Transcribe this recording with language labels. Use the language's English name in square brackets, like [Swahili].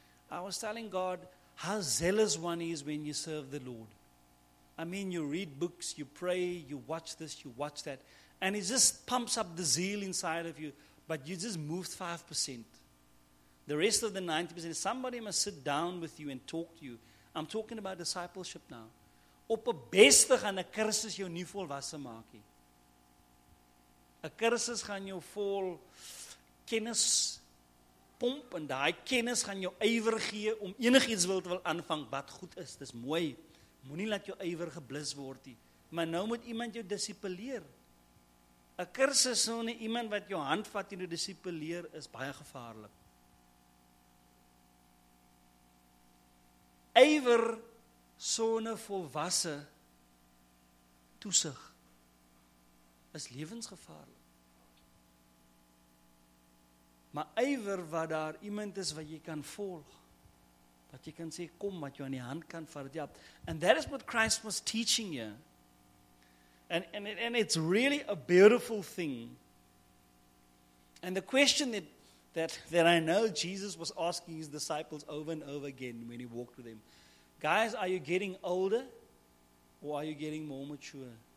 [English] I was telling God how zealous one is when you serve the Lord. I mean, you read books, you pray, you watch this, you watch that, and it just pumps up the zeal inside of you, but you just moved 5%. The rest of the 90%, somebody must sit down with you and talk to you. I'm talking about discipleship now. [Afrikaans] Op 'n beste gaan 'n kursus jou nie volwasse maak nie. 'n Kursus gaan jou vol kennis pomp, en daai kennis gaan jou ywer gee om enigiets wil aanvang wat goed is. Dis mooi. Moenie laat jou ywer geblus word nie. Maar nou moet iemand jou dissipleer. 'n Kursus sonder iemand wat jou hand vat en jou dissipleer is baie gevaarlik. Ywer sonder volwasse toesig is lewensgevaarlik. Maar ywer wat daar iemand is wat jy kan volg, wat jy kan sê, kom, wat jou aan die hand kan vat. [English] And that is what Christ was teaching you. And it's really a beautiful thing. And the question that I know Jesus was asking his disciples over and over again when he walked with them, guys, are you getting older or are you getting more mature?